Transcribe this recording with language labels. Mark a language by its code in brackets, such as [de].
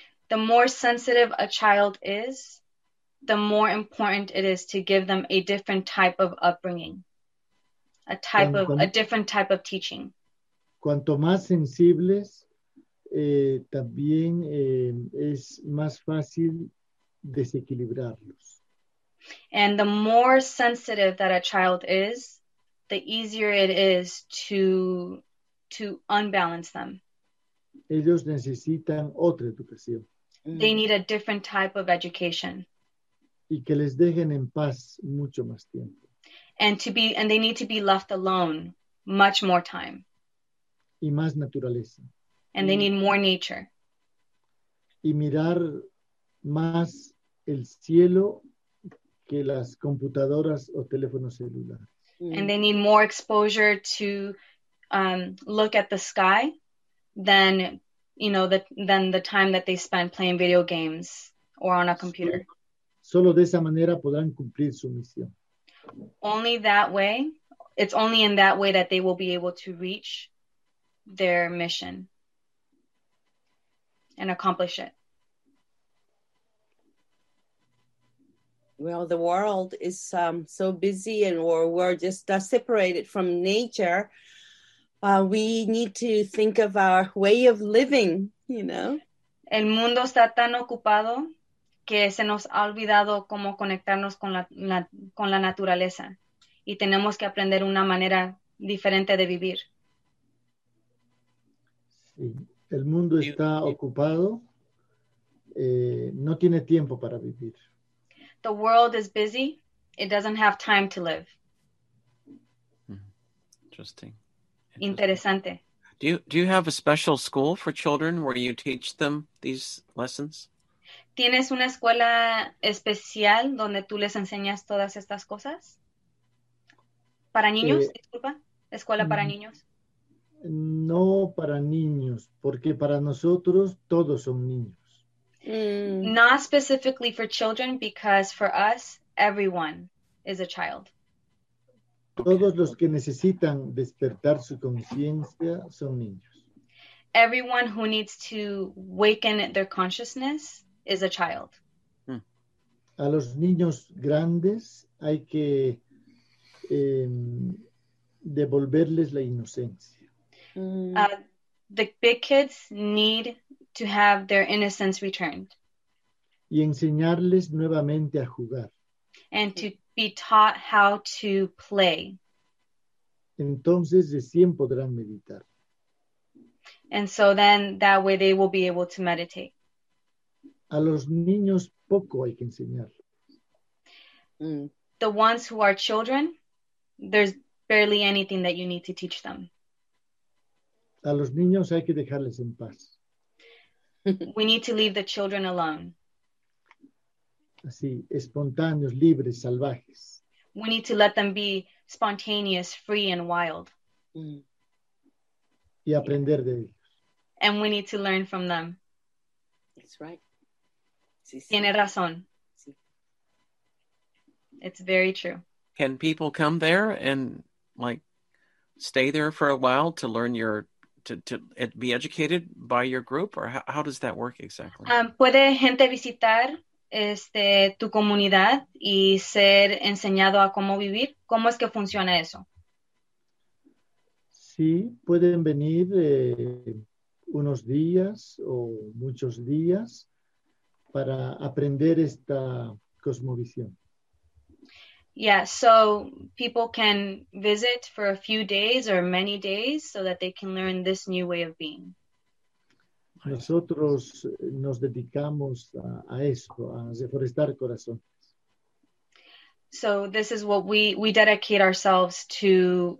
[en] The more sensitive a child is, the more important it is to give them a different type of upbringing, a different type of teaching. [es] Cuanto más sensibles, también es más fácil desequilibrarlos. [en] And the more sensitive that a child is, the easier it is to unbalance them. [es] Ellos necesitan otra educación. [en] They need a different type of education. [es] Y que les dejen en paz mucho más tiempo. [en] And they need to be left alone much more time. [es] Y más naturaleza. [en] And they need more nature. [es] Y mirar más el cielo que las computadoras o teléfonos celulares. [en] And they need more exposure to look at the sky than, you know, than the time that they spend playing video games or on a computer. [es] Solo de esa manera podrán cumplir su misión. [en] Only that way, it's only in that way that they will be able to reach their mission and accomplish it. Well, the world is so busy and we're just separated from nature. We need to think of our way of living, you know. [es] El mundo está tan ocupado que se nos ha olvidado cómo conectarnos con la naturaleza y tenemos que aprender una manera diferente de vivir. Sí. El mundo está ocupado, no tiene tiempo para vivir. [en] The world is busy, it doesn't have time to live. Interesting. [es] Interesante. [en] Do you have a special school for children where you teach them these lessons? [es] ¿Tienes una escuela especial donde tú les enseñas todas estas cosas? ¿Para niños, disculpa? ¿Escuela para niños? No para niños, porque para nosotros todos son niños. [en] Not specifically for children, because for us, everyone is a child. [es] Todos los que necesitan despertar su conciencia son niños. [en] Everyone who needs to waken their consciousness is a child. [es] A los niños grandes hay que devolverles la inocencia. [en] The big kids need to have their innocence returned. [es] Y enseñarles nuevamente a jugar. [en] And to be taught how to play. [es] Entonces recién podrán meditar. [en] And so then that way they will be able to meditate. [es] A los niños poco hay que enseñarles. [en] The ones who are children, there's barely anything that you need to teach them. [es] A los niños hay que dejarles en paz. [en] We need to leave the children alone. [es] Así, espontáneos, libres, salvajes. [en] We need to let them be spontaneous, free, and wild. [es] Y aprender de ellos. [en] And we need to learn from them. That's right. [es] Sí, sí. Tiene razón. Sí. [en] It's very true. Can people come there and like stay there for a while to learn your to be educated by your group, or how does that work exactly? [es] Puede gente visitar tu comunidad y ser enseñado a cómo vivir. ¿Cómo es que funciona eso? Sí, pueden venir unos días o muchos días para aprender esta cosmovisión. [en] Yeah, so people can visit for a few days or many days so that they can learn this new way of being. [es] Nosotros nos dedicamos a eso, a reforestar corazones. [en] So this is what we dedicate ourselves to.